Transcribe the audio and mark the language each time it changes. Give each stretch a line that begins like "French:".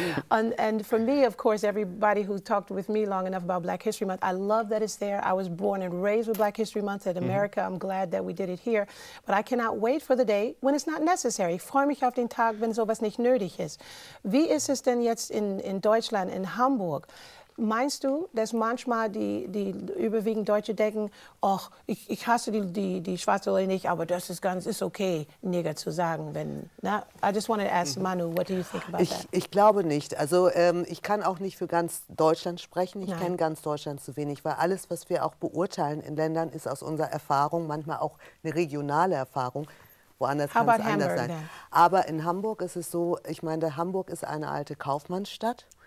English: and for me, of course, everybody who talked with me long enough about Black History Month, I love that it's there. I was born and raised with Black History Month at America. I'm glad that we did it here. But I cannot wait for the day when it's not necessary.
German: Ich freue mich auf den Tag, wenn sowas nicht nötig ist. Wie ist es denn jetzt in Deutschland, in Hamburg? Meinst du, dass manchmal die überwiegend Deutsche denken, ach, ich hasse die Schwarze Leute nicht, aber das ist ganz, ist okay, Nigger zu sagen, wenn, na?
English: I just wanted to ask Manu, what do you think about that?
German: Ich glaube nicht. Also ich kann auch nicht für ganz Deutschland sprechen. Ich kenne ganz Deutschland zu wenig, weil alles, was wir auch beurteilen in Ländern, ist aus unserer Erfahrung, manchmal auch eine regionale Erfahrung. Woanders kann es anders Hamburg, sein.
English: Then?
German: Aber in Hamburg ist es so, ich meine, Hamburg ist eine alte Kaufmannsstadt.